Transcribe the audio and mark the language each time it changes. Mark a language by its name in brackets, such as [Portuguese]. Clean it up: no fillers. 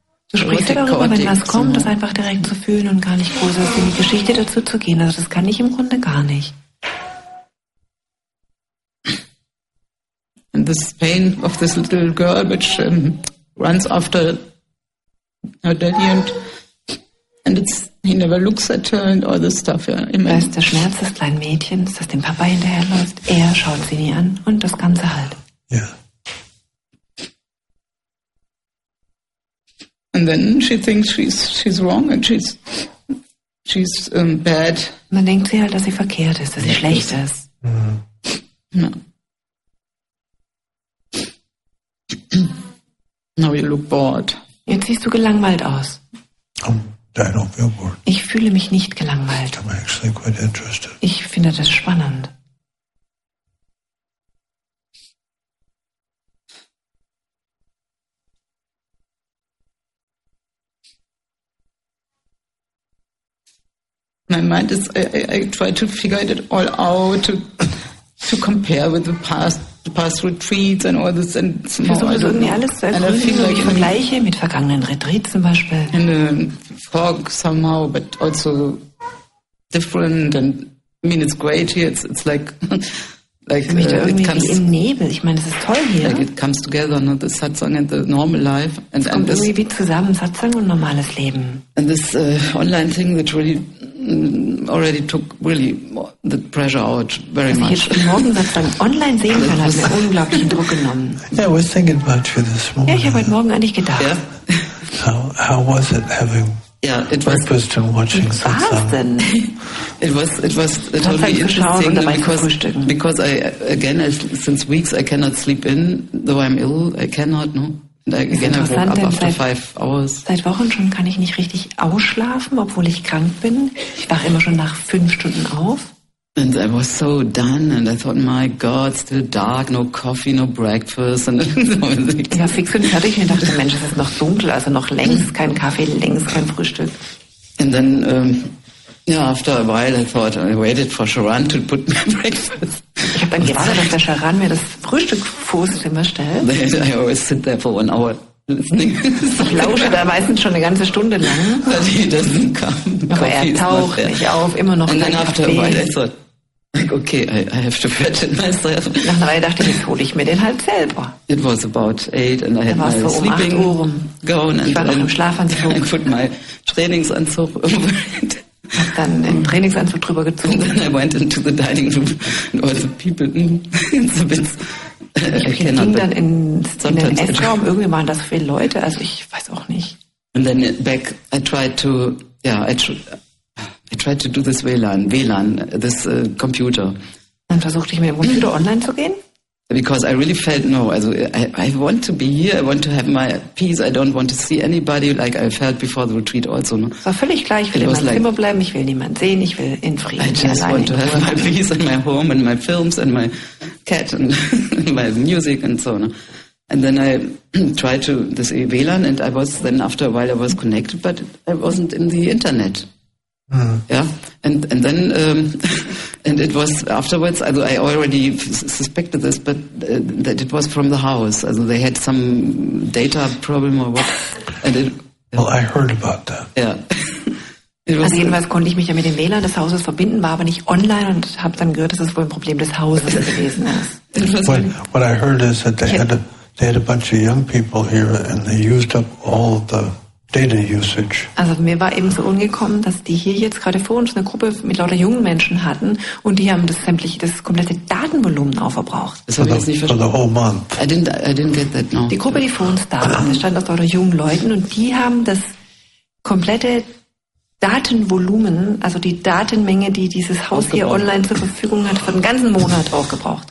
[German] Du sprichst ja darüber, wenn was kommt, das einfach direkt zu fühlen und gar nicht großartig in die Geschichte dazu zu gehen. Also das kann ich im Grunde gar nicht. [English] And this pain of this little girl, which runs after her daddy and it's, he never looks at her and all this stuff. Yeah. I mean, [German] weißt du, der Schmerz des kleinen Mädchens, das dem Papa hinterherläuft, er schaut sie nie an und das Ganze halt. Ja. Yeah. [English] And then she thinks she's wrong and she's bad. [German] Man denkt sie halt, dass sie verkehrt ist, dass sie schlecht ist. Mm-hmm. [English] Now you look bored. [German] Jetzt siehst du gelangweilt aus. [English] I don't feel bored. [German] Ich fühle mich nicht gelangweilt. [English] I'm actually quite interested. [German] Ich finde das spannend. [English] My mind is, I try to figure it all out, to compare with the past retreats and all this. And [German] versuche so irgendwie alles zu erkunden, ich vergleiche mit vergangenen Retreats zum Beispiel. [English] And a fog somehow, but also different. And I mean, it's great here. It's like it comes in [German] Nebel. Ich meine, es ist toll hier. [English] Like it comes together, no? The satsang and the normal life. And [German] es kommt irgendwie wie zusammen, satsang und normales Leben. [English] And this online thing that really already took really the pressure out very much. [German] Jetzt morgen das dann online sehen kann, hat mir unglaublichen Druck genommen. [English] Yeah, I was thinking about you this morning. [German] Ja, ich habe heute Morgen an dich gedacht. [English] Yeah. How was it having breakfast and watching satsang? [German] Was denn? [English] It was totally interesting because I again since weeks I cannot sleep in though I'm ill I cannot no. [German] Seit Wochen schon kann ich nicht richtig ausschlafen, obwohl ich krank bin. Ich wache immer schon nach 5 Stunden auf. [English] And I was so done and I thought, my God, still dark, no coffee, no breakfast. And [German] ja, fix und fertig. Ich dachte, Mensch, es ist noch dunkel, also noch längst kein Kaffee, längst kein Frühstück. [English] And then, after a while I thought, I waited for Sharan to put my breakfast. [German] Ich habe dann gewartet, dass der Sharan mir das Frühstück vorsitzt immer stellt. [English] I always sit there for 1 hour listening. [German] Ich lausche da meistens schon eine ganze Stunde lang. [English] But he doesn't come. Coffee [German] aber er taucht nicht auf, immer noch kein Kaffee. [English] And then after a while I thought, like, okay, I have to fetch it myself. [German] Nach einer Weile dachte ich, jetzt hole ich mir den halt selber. [English] It was about 8 and I had my so sleeping gown. [German] Ich war noch im Schlafanzug. [English] I put my Trainingsanzug over it. [German] Hab dann einen Trainingsanzug drüber gezogen. [English] And then I went into the dining room and all the people in the bits. [German] Ich ging dann in den Essraum. Irgendwie waren da so viele Leute, also ich weiß auch nicht. [English] And then back, I tried to do this WLAN, this computer. [German] Dann versuchte ich mit dem Computer online zu gehen. [English] Because I really felt no, also I want to be here, I want to have my peace, I don't want to see anybody like I felt before the retreat also. No? [German] War völlig gleich, ich will in meinem Zimmer bleiben, ich will niemanden sehen, ich will in Frieden. [English] I just want to have my peace and my home and my films and my cat and my music and so. No? And then I tried to this WLAN and I was then after a while I was connected, but I wasn't in the internet. Mm-hmm. Yeah, and then and it was afterwards. Also I already suspected this, but that it was from the house. Also they had some data problem or what. And it, yeah. Well, I heard about that. Yeah. [German] Also jedenfalls konnte ich mich ja mit dem WLAN des Hauses verbinden, war aber nicht online und habe dann gehört, dass es wohl ein Problem des Hauses gewesen ist. [English] What I heard is that they had a They had a bunch of young people here and they used up all the data usage. [German] Also mir war eben so umgekommen, dass die hier jetzt gerade vor uns eine Gruppe mit lauter jungen Menschen hatten und die haben das sämtliche, das komplette Datenvolumen aufgebraucht. Das habe ich jetzt nicht verstanden. [English] For the whole month. I didn't get that, no. [German] Die Gruppe, die vor uns da war, bestand aus lauter jungen Leuten und die haben das komplette Datenvolumen, also die Datenmenge, die dieses Haus hier online zur Verfügung hat, für den ganzen Monat aufgebraucht.